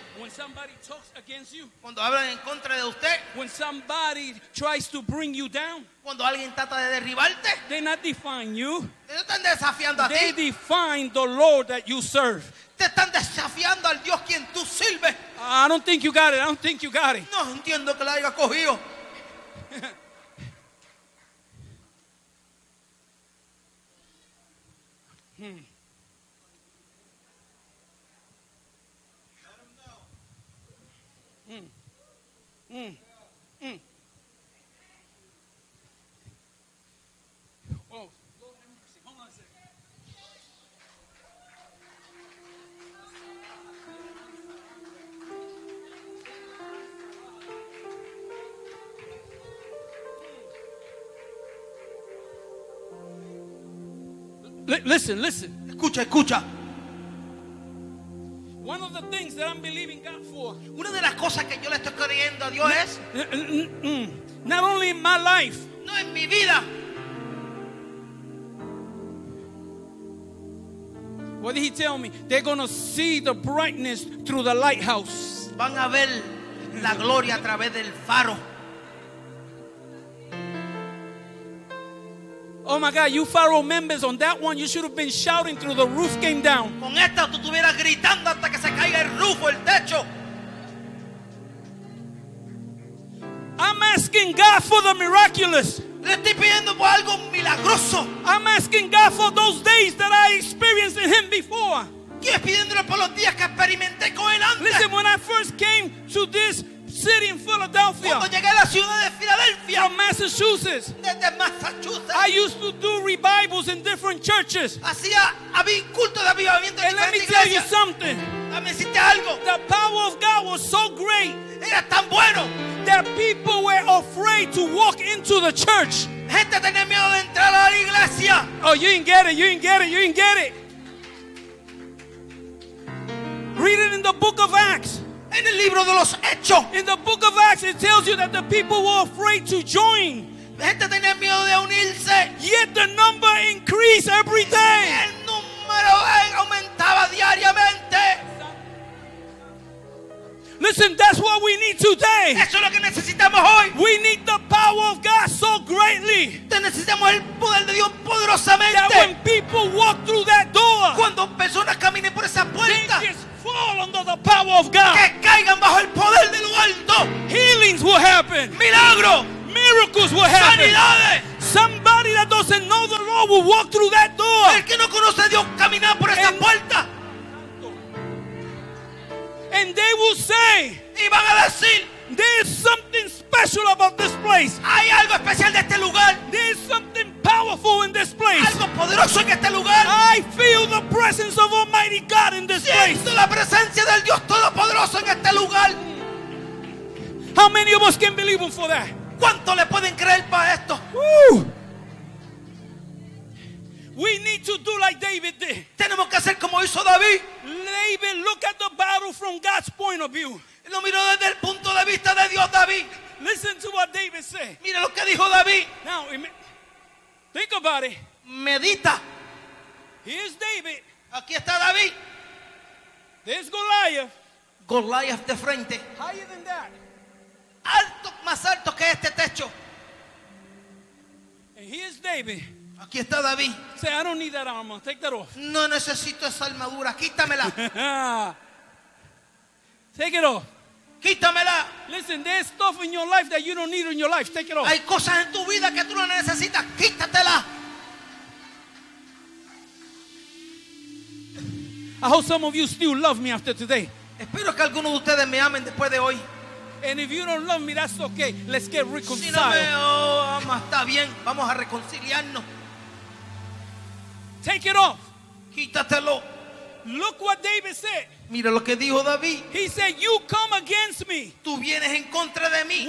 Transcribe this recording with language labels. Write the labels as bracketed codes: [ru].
[en] when somebody talks against you, [es] cuando hablan en contra de usted, [en] when somebody tries to bring you down, [es] cuando alguien trata de derribarte, [en] they're not defying you. [es] They no están desafiando a ti. [en] They define the Lord that you serve. [es] Te están desafiando al Dios quien tú sirves. [en] I don't think you got it. I don't think you got it. [es] No entiendo que la haya cogido. [en] Listen. [es] Escucha. [en] One of the things that I'm believing God for. [es] Una de las cosas que yo le estoy creyendo a Dios es. [en] Not only in my life. [es] No en mi vida. [en] What did he tell me? They're going to see the brightness through the lighthouse. [es] Van a ver la gloria a través del faro. [en] Oh my God, you Pharaoh members, on that one you should have been shouting through the roof came down. [es] Con esta tú estuvieras gritando hasta que se caiga el roof o el techo. [en] I'm asking God for the miraculous. [es] Le estoy pidiendo por algo milagroso. [en] I'm asking God for those days that I experienced in Him before. [es] Estoy pidiéndole por los días que experimenté con Él antes. [en] Listen, when I first came to this city in Philadelphia. [es] Cuando llegué a la ciudad de Filadelfia. [en] From Massachusetts. [es] Desde Massachusetts. [en] I used to do revivals in different churches. [es] Había culto de avivamiento en diferentes iglesias. [en] And let me tell you something. [es] Dame si te algo. [en] The power of God was so great. [es] Era tan bueno. [en] That people were afraid to walk into the church. [es] Gente tenía miedo de entrar a la iglesia. [en] Oh, you didn't get it. Read it in the book of Acts. [es] En el libro de los hechos. [en] In the book of Acts it tells you that the people were afraid to join. [es] La gente tenía miedo de unirse. [en] Yet the number increased every day. [es] El número aumentaba diariamente. [en] Listen, that's what we need. need today. [es] Eso es lo que necesitamos hoy. [en] We need the power of God so greatly. [es] Te necesitamos el poder de Dios poderosamente. [en] That when people walk through that door, [es] cuando personas caminen por esa puerta, [en] they just fall under the power of God. [es] Que caigan bajo el poder de lo alto. [en] Healings will happen. [es] Milagro. [en] Miracles will happen. [es] Sanidades. [en] Somebody that doesn't know the Lord will walk through that door. [es] El que no conoce a Dios caminará por esa puerta. [en] And they will say, [es] y van a decir, [en] there is something special about this place. [es] Hay algo especial de este lugar. [en] There is something powerful in this place. [es] Algo poderoso en este lugar. [en] I feel the presence of Almighty God in this [es] siento [en] place. [es] Siento la presencia del Dios todopoderoso en este lugar. [en] How many of us can believe him for that? [es] ¿Cuánto le pueden creer para esto? [en] We need to do like David did. [es] Tenemos que hacer como hizo David. [en] David, look at the battle from God's point of view. [es] Lo miró desde el punto de vista de Dios, David. [en] Listen to what David said. [es] Mira lo que dijo David. [en] Now, think about it. [es] Medita. [en] Here's David. [es] Aquí está David. [en] There's Goliath. [es] Goliath de frente. [en] Higher than that. [es] Alto, más alto que este techo. [en] And here's David. [es] Aquí está David. [en] Say, I don't need that armor. Take that off. [es] No necesito esa armadura. Quítamela. [en] Take it off. [es] Quítamela. [en] Listen, there's stuff in your life that you don't need in your life. Take it off. [es] Hay cosas en tu vida que tú no necesitas. Quítatela. [en] I hope some of you still love me after today. [es] Espero que algunos de ustedes me amen después de hoy. [en] And if you don't love me, that's okay. Let's get reconciled. [es] Si no me ama, está bien. Vamos a reconciliarnos. [en] Take it off. [es] Quítatelo. [en] Look what David said. [es] Mira lo que dijo David. [en] He said, "You come against me." [es] Tú vienes en contra de mí.